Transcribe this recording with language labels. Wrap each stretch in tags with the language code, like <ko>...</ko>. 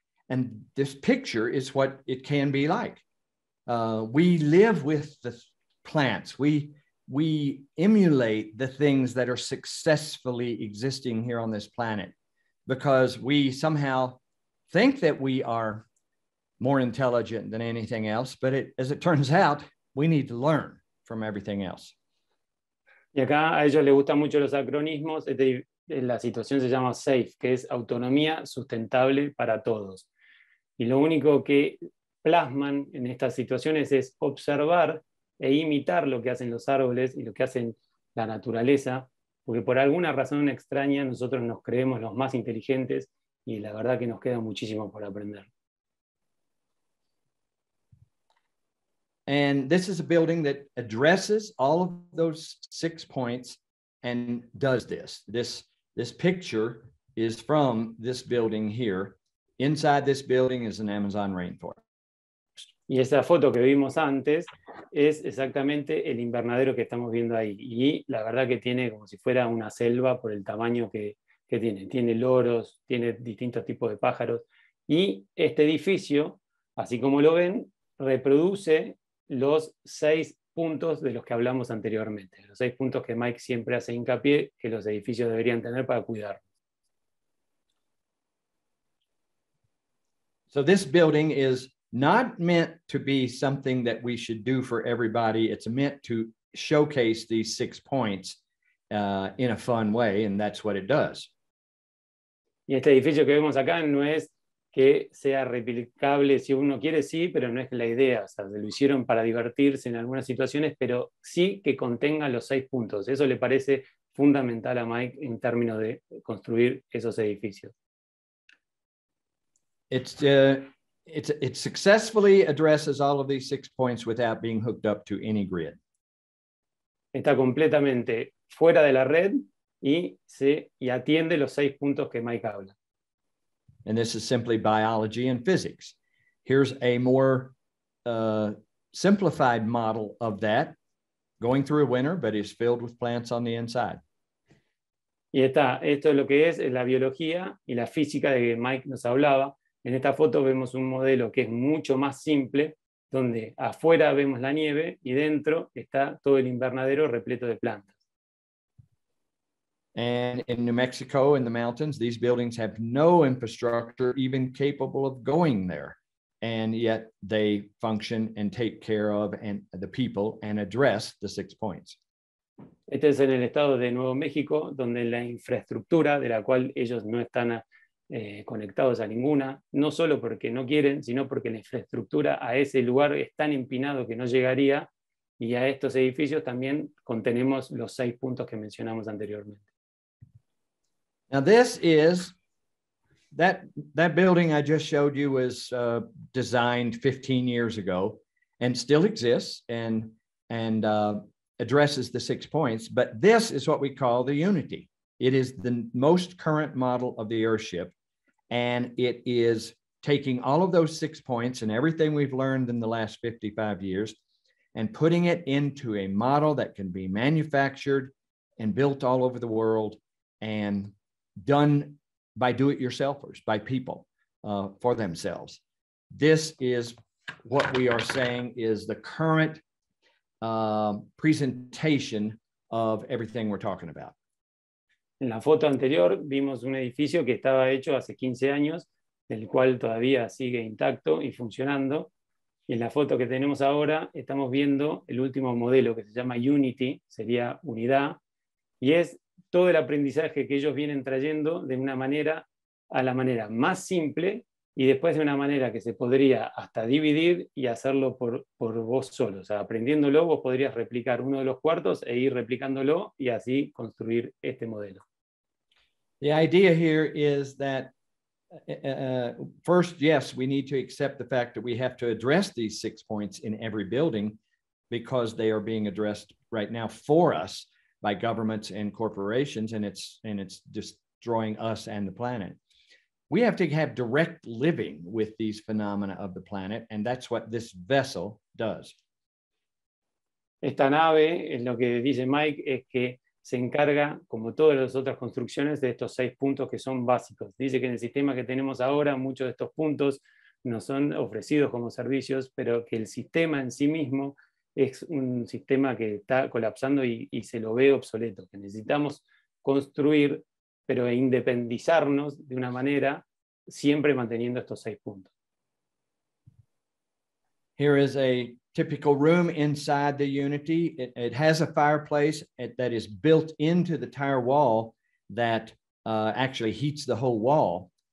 <en>And this picture is what it can be like. We live with the plants. We emulate the things that are successfully existing here on this planet because we somehow think that we are more intelligent than anything else. But as it turns out, we need to learn from everything else.</en> <es>Y acá a ellos les gustan mucho los acronismos. La situación se llama SAFE, que es autonomía sustentable para todos. Y lo único que plasman en estas situaciones es observar e imitar lo que hacen los árboles y lo que hacen la naturaleza, porque por alguna razón extraña nosotros nos creemos los más inteligentes y la verdad que nos queda muchísimo por aprender.</es> <en>And this is a building that addresses all of those six points and does this. This picture is from this building here. Inside this building is an Amazon rainforest.</en> <es>Y esa foto que vimos antes es exactamente el invernadero que estamos viendo ahí. Y la verdad que tiene como si fuera una selva por el tamaño que tiene. Tiene loros, tiene distintos tipos de pájaros. Y este edificio, así como lo ven, reproduce los seis puntos de los que hablamos anteriormente. Los seis puntos que Mike siempre hace hincapié que los edificios deberían tener para cuidar.</es> <en>So this building is not meant to be something that we should do for everybody. It's meant to showcase these six points in a fun way, and that's what it does.</en> <es>Y este edificio que vemos acá no es que sea replicable si uno quiere, sí, pero no es la idea. O sea, lo hicieron para divertirse en algunas situaciones, pero sí que contenga los seis puntos. Eso le parece fundamental a Mike en términos de construir esos edificios.</es> <en>It successfully addresses all of these six points without being hooked up to any grid.</en> <es>Está completamente fuera de la red y atiende los seis puntos que Mike habla.</es> <en>And this is simply biology and physics. Here's a more simplified model of that. going through a winter, but is filled with plants on the inside.</en> <es>Y está, esto es lo que es la biología y la física de que Mike nos hablaba. En esta foto vemos un modelo que es mucho más simple, donde afuera vemos la nieve y dentro está todo el invernadero repleto de plantas.</es> <en>And in New Mexico, in the mountains, these buildings have no infrastructure even capable of going there. And yet they function and take care of and the people and address the 6 points.</en> <es>Este es en el estado de Nuevo México, donde la infraestructura de la cual ellos no están conectados a ninguna, no solo porque no quieren, sino porque la infraestructura a ese lugar es tan empinado que no llegaría, y a estos edificios también contenemos los 6 puntos que mencionamos anteriormente.</es> <en>Now this is, that building I just showed you was designed 15 years ago, and still exists, addresses the 6 points, but this is what we call the Unity. It is the most current model of the Earthship, and it is taking all of those 6 points and everything we've learned in the last 55 years and putting it into a model that can be manufactured and built all over the world and done by do-it-yourselfers, by people for themselves. This is what we are saying is the current presentation of everything we're talking about.</en> <es>En la foto anterior vimos un edificio que estaba hecho hace 15 años, el cual todavía sigue intacto y funcionando. Y en la foto que tenemos ahora estamos viendo el último modelo que se llama Unity, sería unidad, y es todo el aprendizaje que ellos vienen trayendo de una manera a la manera más simple y después de una manera que se podría hasta dividir y hacerlo por vos solo. O sea, aprendiéndolo, vos podrías replicar uno de los cuartos e ir replicándolo y así construir este modelo.</es> <en>The idea here is that, first, yes, we need to accept the fact that we have to address these 6 points in every building because they are being addressed right now for us by governments and corporations, and it's destroying us and the planet. We have to have direct living with these phenomena of the planet, and that's what this vessel does.</en> <es>Esta nave, es lo que dice Mike, es que se encarga, como todas las otras construcciones, de estos 6 puntos que son básicos. Dice que en el sistema que tenemos ahora, muchos de estos puntos nos son ofrecidos como servicios, pero que el sistema en sí mismo es un sistema que está colapsando y se lo ve obsoleto. Que necesitamos construir pero independizarnos de una manera, siempre manteniendo estos 6 puntos.</es> <en>Here is a typical room inside the Unity. It has a fireplace that is built into the tire wall that actually heats the whole wall.</en>